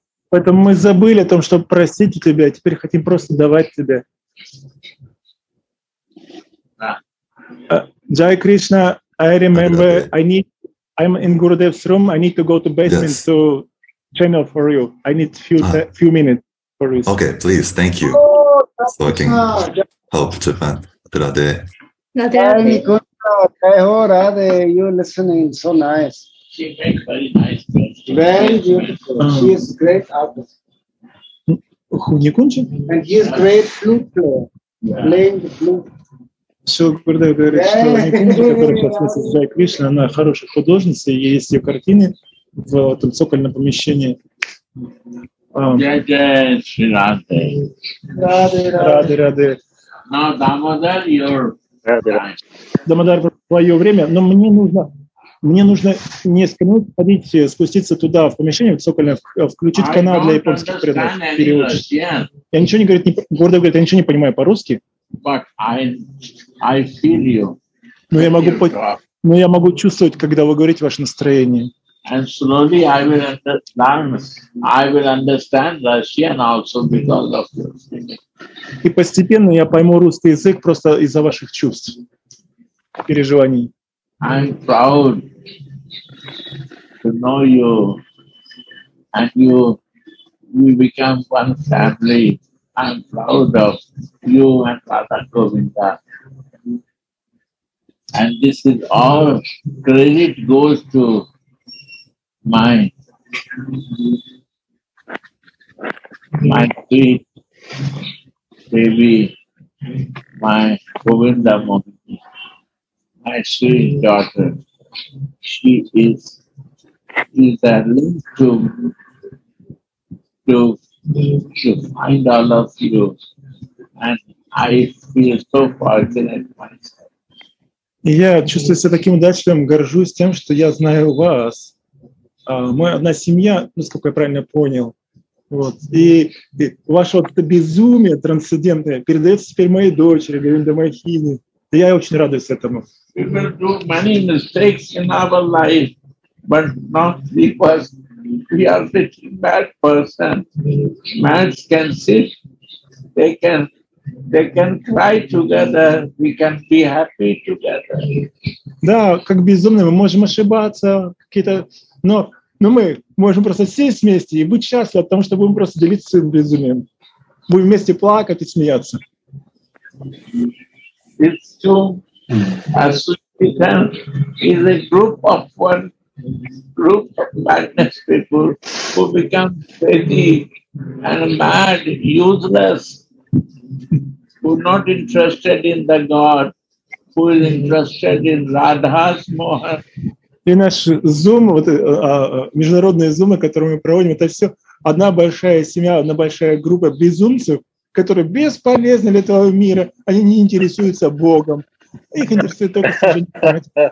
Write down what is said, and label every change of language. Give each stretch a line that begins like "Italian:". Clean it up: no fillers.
Russian: Поэтому мы забыли о том, чтобы просить у тебя, а теперь хотим просто давать тебе.
English: Джай Кришна, I remember, I'm in Gurudev's room, I need to go to basement to channel for you. I need few minutes for you. Okay, please, thank you. So I can help to find Adirade. Jai Ho Radhe, you're listening, so nice. She makes very nice music. Very beautiful. She is great artist. And he is great flute player, playing the flute.
Russian: Все, Гурдев говорит, что Никунджи, который подсветит Джай Кришна, она хорошая художница, и есть ее картины в этом цокольном помещении.
English: Jai Radhe. Radhe, Radhe. Now, Damodar, you're...
Russian: Дамодар, твое время, но мне нужно несколько минут ходить, спуститься туда, в помещение, в цокольное, включить канал для японских преданных, переводчиков. Я ничего не говорю, Гурдев говорит, я ничего не понимаю по-русски.
English: But I feel you.
Russian: Но я могу чувствовать, когда вы говорите ваше настроение.
English: And slowly I will understand Russian also because of your feelings.
Russian: И постепенно я пойму русский язык просто из-за ваших чувств, переживаний.
English: I'm proud to know you, and you become one family. I'm proud of you and Radha Govinda. And this is all credit goes to my sweet baby, my Govinda Mohini, my sweet daughter. She is a link to find all of you, and I feel so fortunate myself.
Russian: Я чувствую себя таким удачливым, горжусь тем, что я знаю вас. Мы одна семья, насколько я правильно понял. Вот. И ваше вот это безумие трансцендентное передается теперь моей дочери, Говинда Мохини. И я очень радуюсь этому.
English: We will do many mistakes in our life, but not because we are such a bad person. Mads can sit, they can cry together, we can be happy together.
Russian: Да, как безумно, мы можем ошибаться, какие-то... Но мы можем просто сесть вместе и быть счастливы от того, что будем просто делиться своим безумием. Будем вместе плакать и смеяться.
English: It's true. As we can, is a group of one, group of madness people who become crazy and mad, useless, who are not interested in the God, who is interested in Radha's Mohan.
Russian: И наш Zoom, вот, международные Zoom, которые мы проводим, это все одна большая семья, одна большая группа безумцев, которые бесполезны для этого мира, они не интересуются Богом. Их интересует только сожжение памяти.